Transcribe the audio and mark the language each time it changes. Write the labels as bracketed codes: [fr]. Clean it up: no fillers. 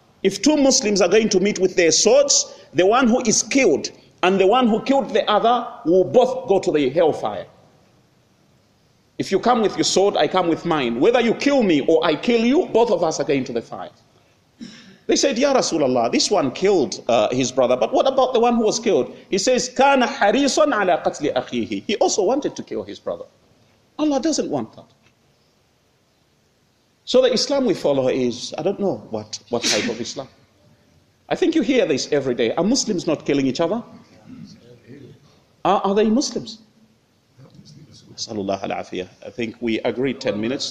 [en] If two Muslims are going to meet with their swords, the one who is killed and the one who killed the other will both go to the hellfire. If you come with your sword, I come with mine. Whether you kill me or I kill you, both of us are going to the fire. They said, Ya Rasulullah, this one killed his brother, but what about the one who was killed? He says, [ar] كان حريصا على قتل أخيه. [en] He also wanted to kill his brother. Allah doesn't want that. So the Islam we follow is, I don't know what type of Islam. I think you hear this every day. Are Muslims not killing each other? Are they Muslims? Sallallahu alayhi wa sallam. I think we agreed 10 minutes.